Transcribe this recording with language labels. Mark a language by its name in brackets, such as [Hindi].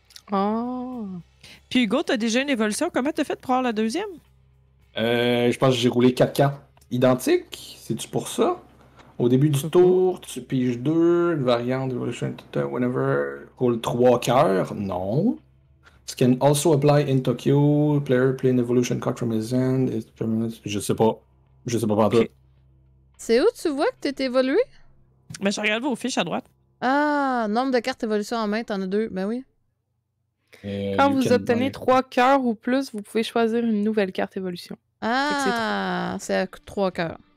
[French] Oh! Puis Hugo, t'as déjà une évolution. Comment t'as fait pour avoir la deuxième? Je pense que j'ai roulé 4-4 identiques. C'est-tu pour ça? Au début du tour, tu piges 2, une variante, evolution, whatever, roule 3 cœurs, non. [English] This can also apply in Tokyo, player play an evolution card from his hand, [French] je sais pas. C'est où tu vois que t'es évolué? Mais je regarde vos fiches à droite. Ah, nombre de cartes évolution en main, t'en as deux. Ben oui. Quand vous obtenez 3 cœurs ou plus, vous pouvez choisir une nouvelle carte évolution. Ah, c'est avec 3 cœurs.